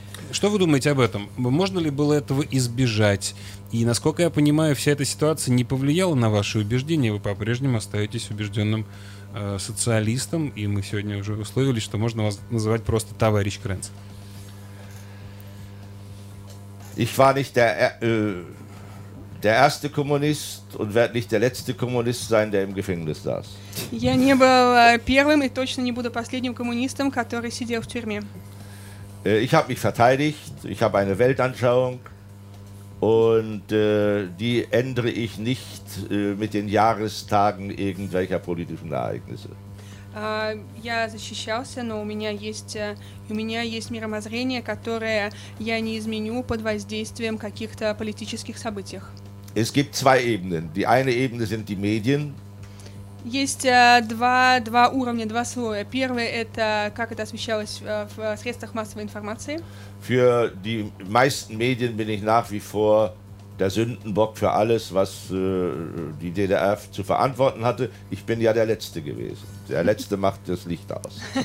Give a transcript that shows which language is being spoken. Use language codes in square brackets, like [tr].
[ru] Что вы думаете об этом? Можно ли было этого избежать? И, насколько я понимаю, вся эта ситуация не повлияла на ваши убеждения, вы по-прежнему остаетесь убежденным социалистом, и мы сегодня уже условились, что можно вас называть просто товарищ Крэнц. [de] Ich war nicht der erste Kommunist und werde nicht der letzte Kommunist sein, der im Gefängnis saß. [ru] Я не был первым и точно не буду последним коммунистом, который сидел в тюрьме. [de] Ich habe mich verteidigt, ich habe eine Weltanschauung und die ändere ich nicht mit den Jahrestagen irgendwelcher politischen Ereignisse. [ru] Я защищался, но у меня есть мировоззрение, которое я не изменю под воздействием каких-то политических событий. [de] Es gibt zwei Ebenen. Die eine Ebene sind die Medien. [ru] Есть два уровня, два слоя. Первый – это как это освещалось в средствах массовой информации. [de] Für die meisten Medien bin ich nach wie vor der Sündenbock für alles, was die DDR zu verantworten hatte. Ich bin ja der Letzte gewesen. Der Letzte macht das Licht aus.